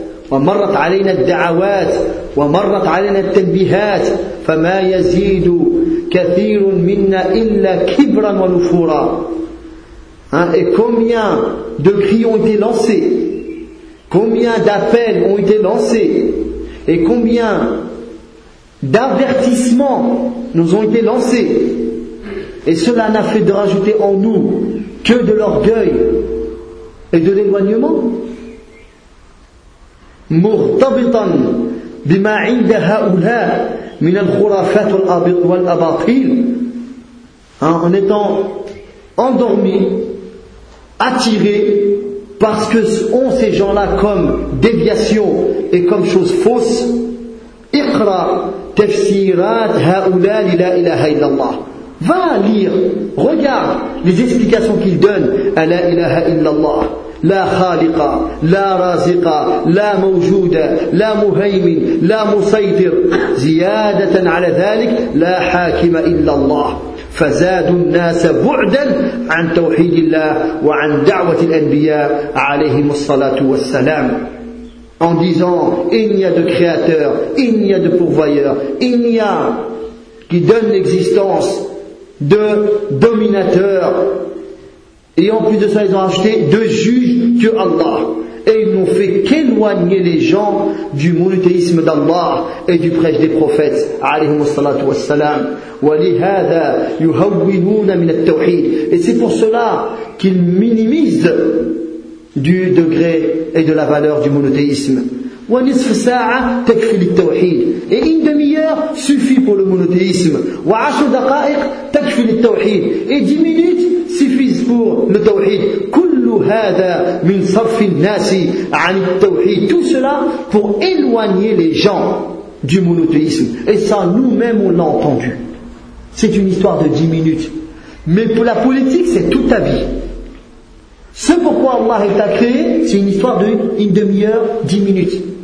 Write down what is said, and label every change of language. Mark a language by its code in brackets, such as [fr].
[ar] ومرت علينا الدعوات ومرت علينا التنبيهات فما يزيد كثير منا إلا كبرا ونفورا. [fr] Et combien de cris ont été lancés, combien d'appels ont été lancés et combien d'avertissements nous ont été lancés, et cela n'a fait de rajouter en nous que de l'orgueil et de l'éloignement. [ar] مرتبطا بما عند هؤلاء من الخرافات والأباطيل. [fr] En étant endormi, attiré par ce que ont ces gens-là comme déviation et comme chose fausse. [ar] اقرأ تفسيرات هؤلاء للا إله إلا الله. [fr] Va lire, regarde les explications qu'ils donnent à la [ar] إله إلا الله. لا خالق لا رازق لا موجود لا مهيمن لا مسيطر زيادة على ذلك لا حاكم إلا الله فزاد الناس بعدا عن توحيد الله وعن دعوة الأنبياء عليهم الصلاة والسلام. [fr] En disant il n'y a de créateur, il n'y a de pourvoyeur, il n'y a qui donne l'existence de dominateur. Et en plus de ça, ils ont acheté deux juges que Allah. Et ils n'ont fait qu'éloigner les gens du monothéisme d'Allah et du prêche des prophètes, [ar] alayhi wassalatu wassalam. وَلِهَذَا يُهَوِّنُونَ مِنَ التَّوْحِيدِ. [fr] Et c'est pour cela qu'ils minimisent du degré et de la valeur du monothéisme. [ar] ونصف ساعة تكفي للتوحيد. [fr] Et une demi-heure suffit pour le monothéisme. [ar] وعشر دقائق تكفي للتوحيد. [fr] Et 10 minutes suffisent pour le tawhid. [ar] كل هذا من صرف الناس عن التوحيد. [fr] Tout cela pour éloigner les gens du monothéisme. Et ça, nous-mêmes, on l'a entendu. C'est une histoire de 10 minutes. Mais pour la politique, c'est toute ta vie. Ce pourquoi Allah t'a créé, c'est une histoire d'une demi-heure, 10 minutes.